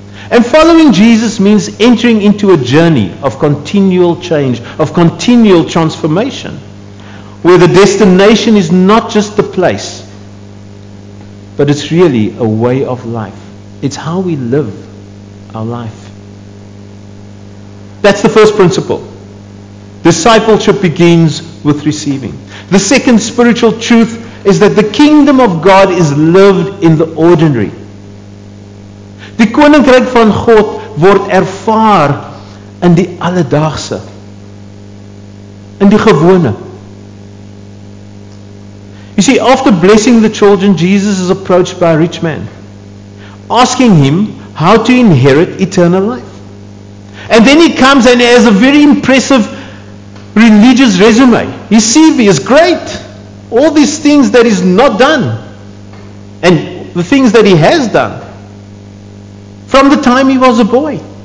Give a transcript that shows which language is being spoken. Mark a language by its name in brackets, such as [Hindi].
[English] And following Jesus means entering into a journey of continual change, of continual transformation, where the destination is not just the place, but it's really a way of life. It's how we live our life. That's the first principle. Discipleship begins with receiving. The second spiritual truth is that the kingdom of God is lived in the ordinary. [Afrikaans] Die koninkryk van God word ervaar in die alledaagse, in die gewone. [English] You see, after blessing the children, Jesus is approached by a rich man, asking him how to inherit eternal life. And then he comes and he has a very impressive religious resume. His CV is great. All these things that he's not done, and the things that he has done, from the time he was a boy.